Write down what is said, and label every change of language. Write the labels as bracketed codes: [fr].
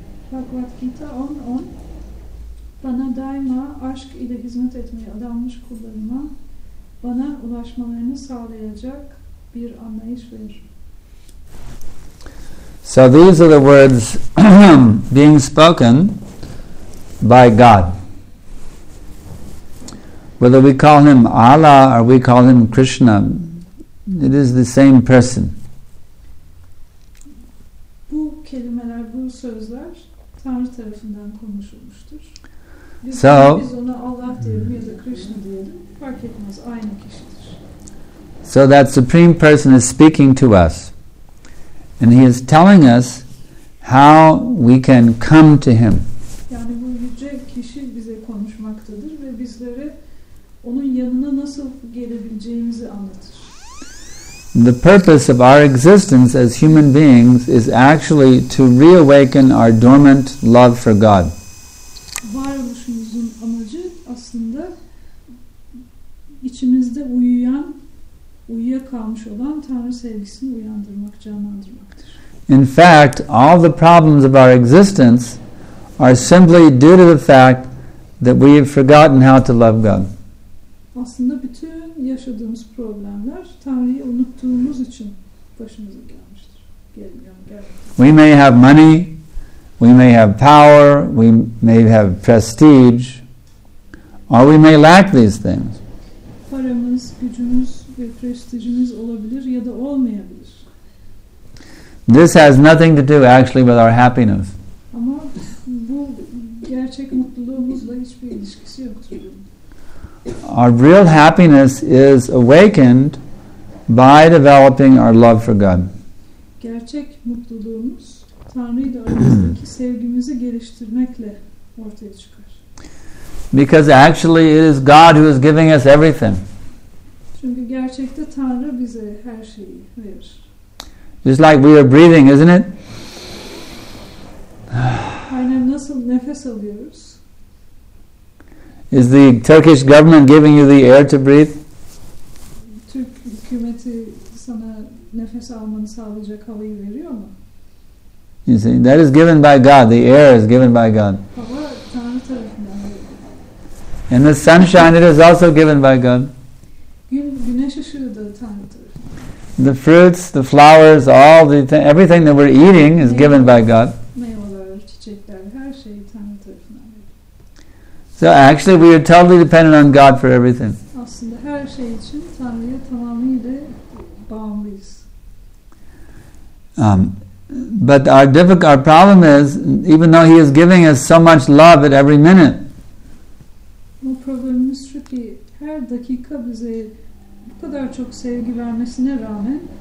[tr] Bhagavad Gita 10:10 bana daima aşk ile hizmet etmeye adanmış kullarıma bana ulaşmalarını sağlayacak bir anlayış verir. [en] So these are the words being spoken by God. Whether we call him Allah or we call him Krishna, it is the same person. [tr] Bu kelimeler, bu sözler Tanrı tarafından konuşulmuştur. [en] So, [tr] biz ona Allah diyelim ya da Krishna diyelim, fark etmez, aynı kişidir. [en] So that supreme person is speaking to us. And he is telling us how we can come to him. [tr] Yani bu yüce kişi bize konuşmaktadır ve bizlere onun yanına nasıl gelebileceğimizi anlatır. [en] The purpose of our existence as human beings is actually to reawaken our dormant love for God. [tr] Varoluşumuzun amacı aslında içimizde uyuyan, uyuyakalmış olan Tanrı sevgisini uyandırmak, canlandırmaktır. [en] In fact, all the problems of our existence are simply due to the fact that we have forgotten how to love God. [tr] Aslında bütün yaşadığımız problemler Tanrı'yı unuttuğumuz için başımıza gelmiştir. [en] We may have money, we may have power, we may have prestige, or we may lack these things. [tr] Paramız, gücümüz ve prestijimiz olabilir ya da olmayabilir. [en] This has nothing to do actually with our happiness. [tr] Ama bu gerçek mutluluğumuzla hiçbir ilişkisi yoktur. [en] Our real happiness is awakened by developing our love for God. [tr] Gerçek mutluluğumuz Tanrı'yı da aramızdaki sevgimizi geliştirmekle ortaya çıkar. [en] Because actually it is God who is giving us everything. [tr] Çünkü gerçekte Tanrı bize her şeyi verir. [en] Just like we are breathing, isn't it? [tr] Aynen nasıl nefes alıyoruz? [en] Is the Turkish government giving you the air to breathe? [tr] Türk hükümeti sana nefes almanı sağlayacak havayı veriyor mu? [en] You see, that is given by God. The air is given by God. [tr] Hava Tanrı tarafından veriyor. [en] And the sunshine, it is also given by God. [tr] Güneş ışığı da Tanrı tarafından. [en] The fruits, the flowers, everything that we're eating is given by God. [tr] Meyveler, çiçekler, her şey Tanrı. [en] So actually we are totally dependent on God for everything. [tr] Aslında her şey için Tanrı'ya tamamıyla bağımlıyız. [en] But our problem is, even though He is giving us so much love at every minute. [tr] Bu problemimiz şu ki her dakika bize bu kadar çok sevgi vermesine rağmen